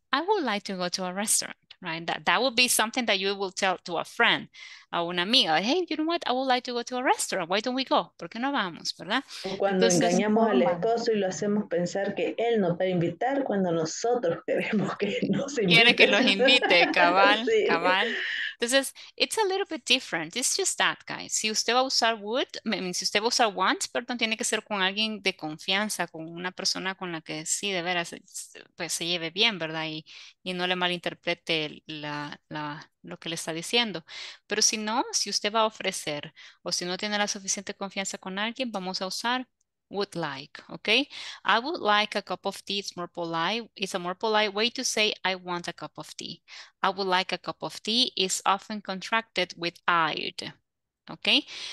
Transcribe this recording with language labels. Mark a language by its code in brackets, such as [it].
[en] I would like to go to a restaurant. Right, that would be something that you will tell to a friend, [es] a una amiga. [en] Hey, you know what? I would like to go to a restaurant. Why don't we go? [es] ¿Por qué no vamos? ¿Verdad? Cuando entonces, engañamos al esposo y lo hacemos pensar que él nos va a invitar cuando nosotros queremos que nos invite. Quiere que nos invite, cabal, sí. Cabal. Entonces, [en] it's a little bit different. It's just that, guys. [es] Si usted va a usar would, si usted va a usar want, perdón, tiene que ser con alguien de confianza, con una persona con la que sí, de veras, pues se lleve bien, ¿verdad? Y no le malinterprete lo que le está diciendo. Pero si no, si usted va a ofrecer o si no tiene la suficiente confianza con alguien, vamos a usar [en] would like, okay? I would like a cup of tea. It's more polite. It's a more polite way to say, I want a cup of tea. I would like a cup of tea is often contracted with I'd, okay?